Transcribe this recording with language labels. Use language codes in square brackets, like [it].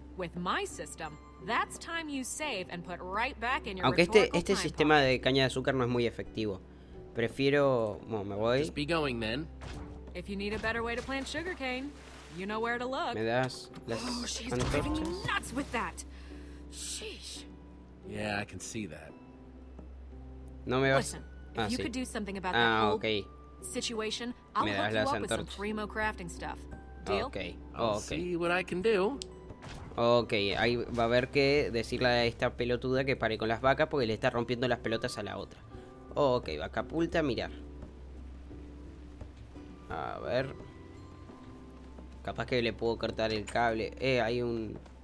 [en] With my system, that's time you save and put right back in your. [es] Aunque este sistema de caña de azúcar no es muy efectivo. Prefiero, bueno, me voy. [en] Be going, then. If you need a better way to plant sugarcane, you know where to look. [es] Me das las antorchas. [en] She's driving me nuts with that. Sheesh. Yeah, I can see that. [es] No me vas. [en] Listen, if you could do something about that whole situation, I'll hook you up with some primo crafting stuff. Deal? Okay. Okay. I'll see what I can do. Okay. [es] Ahí va a haber que decirle a esta pelotuda que pare con las vacas porque le está rompiendo las pelotas a la otra. Okay. Vaca pulta, mirar. A ver. Capaz que le puedo cortar el cable. Hay un.